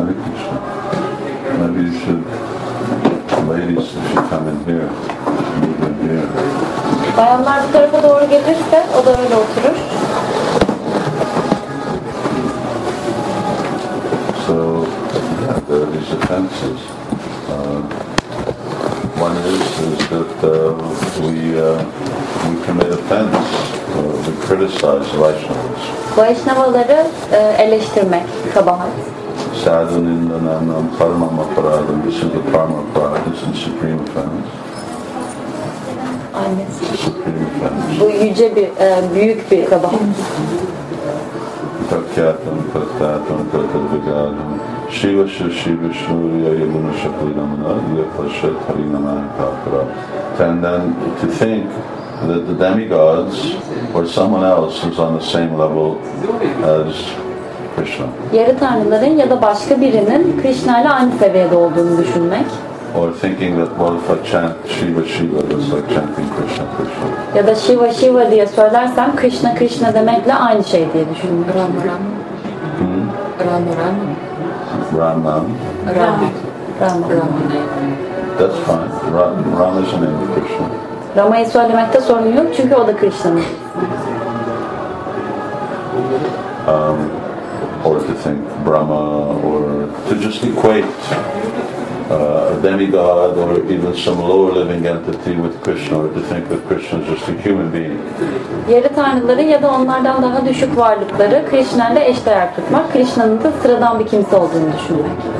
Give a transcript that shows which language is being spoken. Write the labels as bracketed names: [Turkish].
[English] Maybe you should, ladies, you should come in here. Move in here. [Turkish] Bayanlar bu tarafa doğru gelirse, o da öyle oturur. [English] So, yeah, there are these offenses. One is that we commit offense, we criticize Vaishnavas. [Turkish] Vaishnavaları eleştirmek, kabahat. [Sanskrit] Sadhan Indananam Paramama Paradam, [English] this is the Paramama Paradam, this is the Supreme Offense. [Turkish] Aynen. [English] Supreme Offense. [Turkish] Bu yüce bir, büyük bir kabahat. [Sanskrit] Takyatam, Pratyatam, Pratyatvigadam, Shiva Shishi Vishnuriya Yaguna Shaklinamana, Yapashet Harinamana Kakara. [English] And then to think that the demigods or someone else is on the same level as Krishna. [Turkish] Yarı tanrıların ya da başka birinin Krishna ile aynı seviyede olduğunu düşünmek. [English] Or thinking that what if I chant Shiva Shiva, it's like chanting Krishna Krishna. [Turkish] Ya da Shiva Shiva diye söylersem Krishna Krishna demekle aynı şey diye düşünmek. Ram Ram. Hmm? Ram Ram. Ram Ram. Ram. Ram. Ram. Ram. [English] That's fine. Ram, Ram is the name of Krishna. [Turkish] Rama'yı söylemekte sorun yok çünkü o da Krishna'nın. [English] Or to think Brahma, or to just equate a demigod, or even some lower living entity with Krishna, or to think that Krishna is just a human being. [Turkish] Yarı tanrıları ya da onlardan daha düşük varlıkları Krishna ile eşdeğer tutmak, Krishna'nın da sıradan bir kimse olduğunu düşünmek.